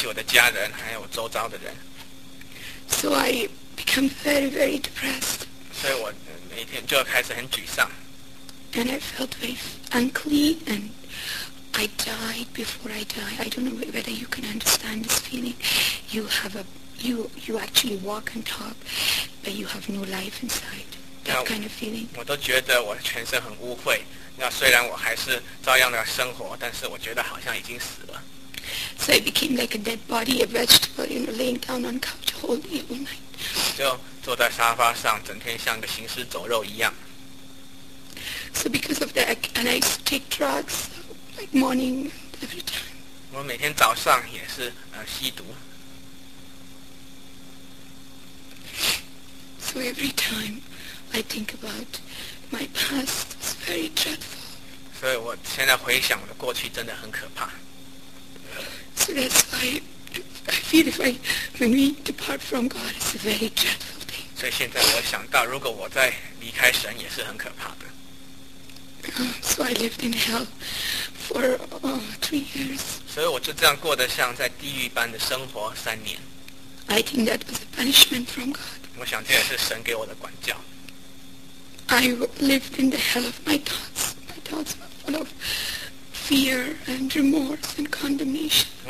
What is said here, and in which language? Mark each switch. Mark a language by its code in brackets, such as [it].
[zh] 我一直觉得我对不起神，我对不起我的家人，还有周遭的人。 [en] So I became very, very depressed. [zh] 所以我每天就开始很沮丧。 [en] And I felt very unclean, and I died before I died. I don't know whether you can understand this feeling. You actually walk and talk, but you have no life inside. That kind of feeling. [zh] 我都觉得我全身很污秽，那虽然我还是照样的生活，但是我觉得好像已经死了。 [en] So I became like a dead body, a vegetable, you know, laying down on couch all day, all night. [zh] 我就坐在沙发上，整天像个行尸走肉一样。 [en] So because of that, and I used to take drugs, like morning, every time. [zh] 我每天早上也是 吸毒。 [en] So every time I think about my past, it's very dreadful. [zh] 所以我现在回想我的过去真的很可怕。 [en] So that's why I feel if I, when we depart from God, it's a very dreadful thing. [zh] 所以现在我想到，如果我再离开神，也是很可怕的。 [en] So I lived in hell for 3 years. [zh] 所以我就这样过得像在地狱般的生活3年。 [en] I think that was a punishment from God. [zh] 我想这也是神给我的管教。 [en] I lived in the hell of my thoughts. My thoughts were full of fear and remorse and condemnation.